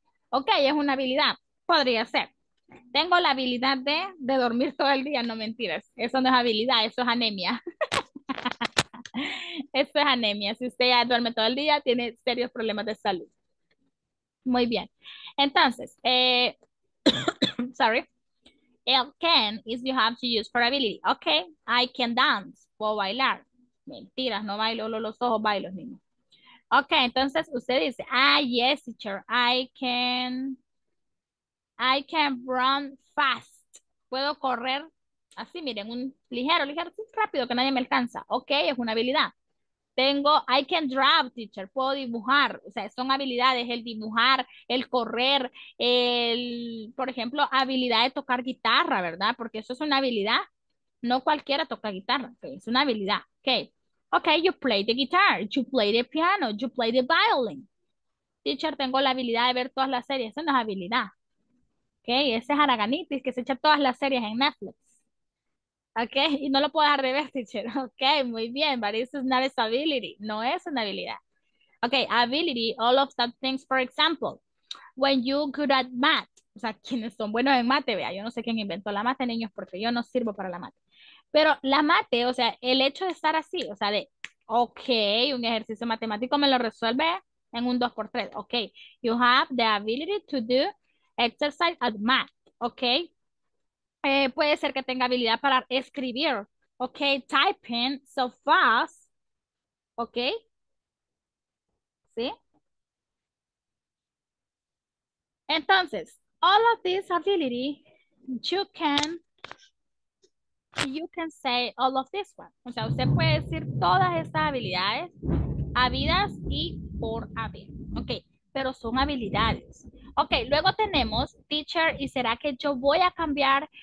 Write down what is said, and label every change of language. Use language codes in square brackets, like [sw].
[es] Ok, es una habilidad, podría ser. Tengo la habilidad de dormir todo el día, no mentiras. Eso no es habilidad, eso es anemia. Eso es anemia. Si usted ya duerme todo el día, tiene serios problemas de salud. Muy bien. Entonces, sorry. [en] El can is you have to use for ability. Ok, I can dance. [es] Puedo bailar. Mentiras, no bailo los ojos, bailo mismo. Ok, entonces usted dice, ah, [en] yes, teacher, I can run fast. [es] Puedo correr. Así, miren, un ligero, ligero, rápido, que nadie me alcanza. Ok, es una habilidad. Tengo, [en] I can draw, teacher, [es] puedo dibujar. O sea, son habilidades, el dibujar, el correr, el, por ejemplo, habilidad de tocar guitarra, ¿verdad? Porque eso es una habilidad. No cualquiera toca guitarra, okay, es una habilidad. [en] Ok, you play the guitar, you play the piano, you play the violin. [es] Teacher, tengo la habilidad de ver todas las series. Eso no es habilidad. Ok, ese es Araganitis, que se echa todas las series en Netflix. Ok, y no lo puedo dejar de ver, teacher. [en] Ok, [es] muy bien, [en] but this is not a ability. No es una habilidad. Ok, ability, all of that things, for example. When you good at math. [es] O sea, quienes son buenos en mate, vea. Yo no sé quién inventó la mate, niños, porque yo no sirvo para la mate. Pero la mate, o sea, el hecho de estar así, o sea, de, ok, un ejercicio matemático me lo resuelve en un 2x3. [en] Ok, you have the ability to do exercise at math. Ok. [es] Puede ser que tenga habilidad para escribir, [en] Okay, typing so fast. Okay. ¿Sí? Entonces, all of this ability, you can say all of this one. [es] O sea, usted puede decir todas estas habilidades habidas y por haber. Okay, pero son habilidades. Okay, luego tenemos teacher, y será que yo voy a cambiar.